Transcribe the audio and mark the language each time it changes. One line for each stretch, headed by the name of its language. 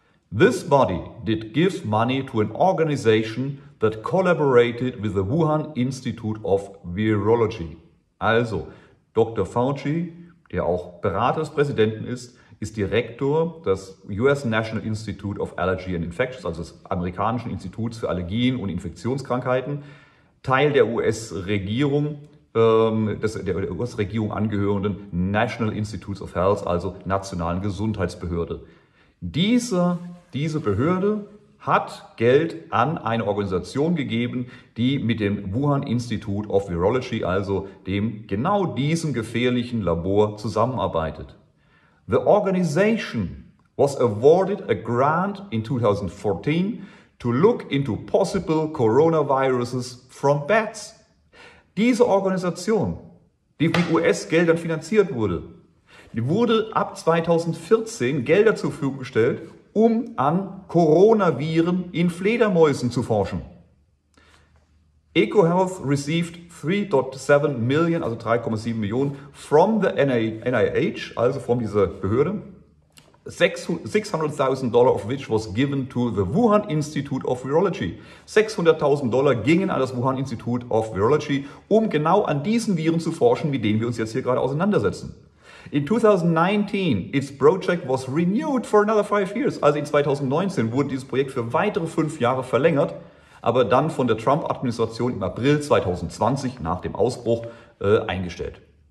English: This body did give money to an organization that collaborated with the Wuhan Institute of Virology. Also, Dr.
German: Fauci, der auch Berater des Präsidenten ist, ist Direktor des US National Institute of Allergy and Infectious, also des amerikanischen Instituts für Allergien und Infektionskrankheiten, Teil der US-Regierung, der US-Regierung angehörenden National Institutes of Health, also nationalen Gesundheitsbehörde. Diese Behörde hat Geld an eine Organisation gegeben, die mit dem Wuhan Institute of Virology, also dem genau diesem gefährlichen Labor, zusammenarbeitet.
English: The organization was awarded a grant in 2014 to look into possible coronaviruses from bats.
German: Diese Organisation, die mit US-Geldern finanziert wurde, wurde ab 2014 Gelder zur Verfügung gestellt, um an Coronaviren in Fledermäusen zu forschen.
English: EcoHealth received 3,7 Millionen from the NIH,
German: also von dieser Behörde,
English: $600,000 of which was given to the Wuhan Institute of Virology.
German: $600,000 gingen an das Wuhan Institute of Virology, um genau an diesen Viren zu forschen, mit denen wir uns jetzt hier gerade auseinandersetzen.
English: In 2019, its project was renewed for another 5 years.
German: Also in 2019 wurde dieses Projekt für weitere 5 Jahre verlängert, aber dann von der Trump-Administration im April 2020 nach dem Ausbruch eingestellt.